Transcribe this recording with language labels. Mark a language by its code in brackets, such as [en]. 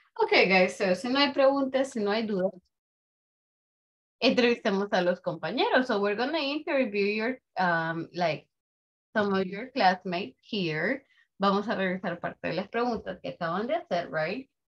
[en] Okay, guys, [es] so si no hay preguntas, si no hay dudas, entrevistamos a los compañeros. [en] So we're going to interview your, some of your classmates here. [es] Vamos a revisar parte de las preguntas que acaban de hacer, right?